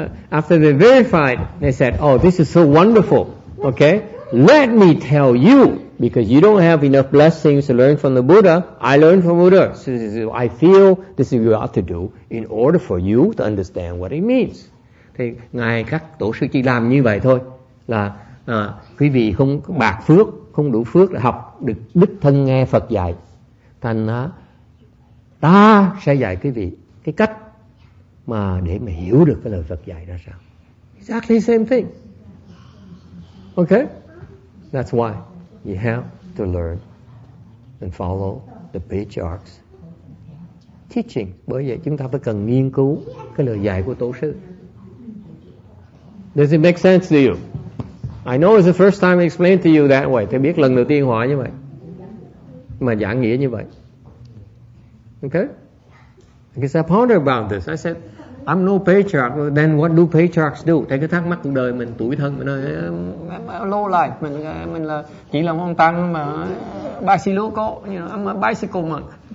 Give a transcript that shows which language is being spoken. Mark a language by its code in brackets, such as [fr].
[en] After they verified, they said, oh, this is so wonderful. Okay? Let me tell you, because you don't have enough blessings to learn from the Buddha, I learned from Buddha. So this is, I feel this is what you ought to do in order for you to understand what it means. [vi] Thì ngài các tổ sư chỉ làm như vậy thôi. Là quý vị không bạc phước, không đủ phước để học được đích thân nghe Phật dạy, thành ta sẽ dạy quý vị cái cách mà để mà hiểu được cái lời Phật dạy ra sao. [en] Exactly same thing. Okay, that's why you have to learn and follow the patriarchs teaching. [vi] Bởi vậy chúng ta phải cần nghiên cứu cái lời dạy của tổ sư. [en] Does it make sense to you? I know it's the first time I explained to you that way. [vi] Thầy biết lần đầu tiên hỏi như vậy, mà giảng nghĩa như vậy. [en] Okay? Because I pondered about this. I said, I'm no patriarch. Then what do patriarchs do? [vi] Thầy cứ thắc mắc cuộc đời mình, tuổi thân mình. [en] Low life. [vi] Mình là chỉ là một ông tăng mà bicycle, [en] you know, I'm a bicycle monk.